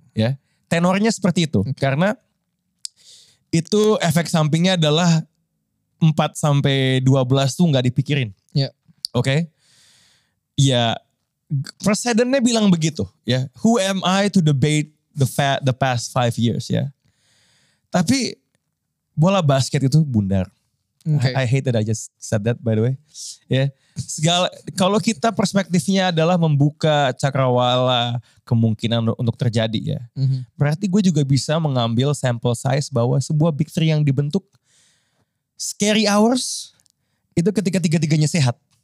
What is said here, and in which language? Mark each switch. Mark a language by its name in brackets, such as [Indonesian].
[Indonesian] Ya, tenornya seperti itu. Okay. Karena itu efek sampingnya adalah 4-12 tuh gak dipikirin. [English] Yeah. [Indonesian] Oke? Okay? Ya, presidennya bilang begitu. [English] Ya, who am I to debate the past 5 years? Ya. [Indonesian] Tapi bola basket itu bundar. [English] Okay. I hate that I just said that by the way. Yeah. [Indonesian] Segala, kalau kita perspektifnya adalah membuka cakrawala kemungkinan untuk terjadi ya. Mm-hmm. Berarti gue juga bisa mengambil sample size bahwa sebuah big three yang dibentuk scary hours itu ketika tiga-tiganya sehat.